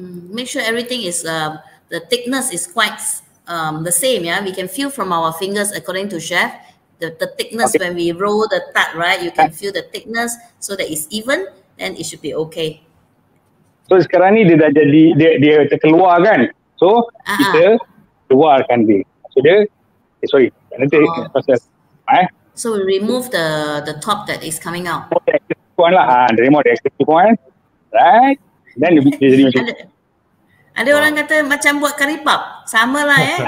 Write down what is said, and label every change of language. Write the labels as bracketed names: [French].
[English] Make sure everything is the thickness is quite the same, yeah. We can feel from our fingers according to chef the thickness when we roll the tart, right? You can feel the thickness so that it's even, then it should be okay. [Malay] So sekarang ni dia dah jadi, dia terkeluar kan? So kita keluarkan dia. So dia, [English] So we remove the top that is coming out. Oh, the extra tukuan lah. Remove the extra tukuan. Right? [Malay] Then dia jadi macam tu. Ada orang kata macam buat karipap. Sama lah